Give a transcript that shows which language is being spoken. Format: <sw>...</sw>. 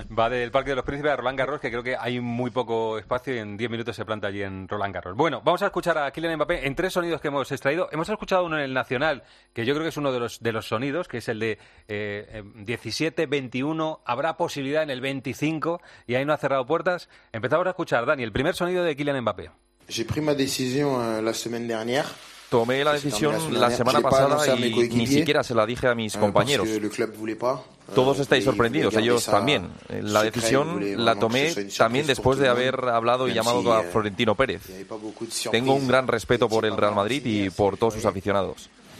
<es>Va del Parque de los Príncipes a Roland Garros, que creo que hay muy poco espacio y en 10 minutos se planta allí en Roland Garros. Bueno, vamos a escuchar a Kylian Mbappé en 3 sonidos que hemos extraído. Hemos escuchado uno en el Nacional, que yo creo que es uno de los sonidos, que es el de 17-21, habrá posibilidad en el 25 y ahí no ha cerrado puertas. Empezamos a escuchar, Dani, el primer sonido de Kylian Mbappé.</es> <fr>J'ai pris ma décision la semaine dernière.</fr> <es>Tomé la decisión la semana pasada y ni siquiera se la dije a mis compañeros. Todos estáis sorprendidos, ellos también. La decisión la tomé también después de haber hablado y llamado a Florentino Pérez. Tengo un gran respeto por el Real Madrid y por todos sus aficionados.</es>